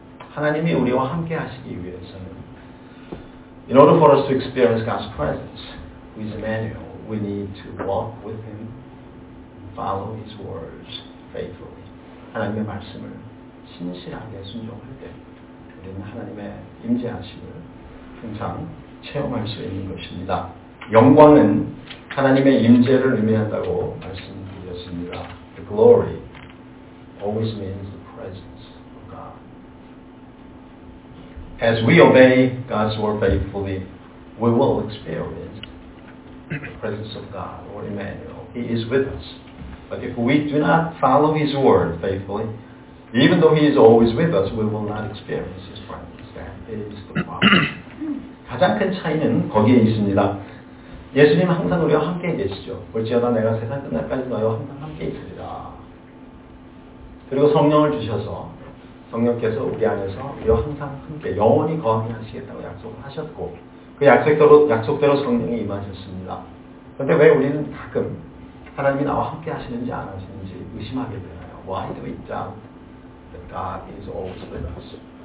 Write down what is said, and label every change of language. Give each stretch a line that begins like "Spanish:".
Korean: 하나님이 우리와 함께 하시기 위해서는
English: In order for us to experience God's presence with Emmanuel, we need to walk with Him and follow His words faithfully.
Korean: 하나님의 말씀을 신실하게 순종할 때 우리는 하나님의 임재하심을 항상 체험할 수 있는 것입니다. 영광은 하나님의 임재를 의미한다고 말씀드렸습니다.
English: The glory always means the presence of God. As we obey God's word faithfully, we will experience the presence of God or Emmanuel. He is with us. But if we do not follow His word faithfully, even though He is always with us, we will not experience His presence. That is the problem.
Korean: 가장 큰 차이는 거기에 있습니다. 예수님은 항상 우리와 함께 계시죠. 볼지어다 내가 세상 끝날까지 너희와 항상 함께 있으리라. 그리고 성령을 주셔서 성령께서 우리 안에서 우리와 항상 함께 영원히 거하게 하시겠다고 약속을 하셨고 그 약속대로 성령이 임하셨습니다. 그런데 왜 우리는 가끔 하나님이 나와 함께 하시는지 안 하시는지 의심하게 되나요?
English: Why do we doubt that God is always with us?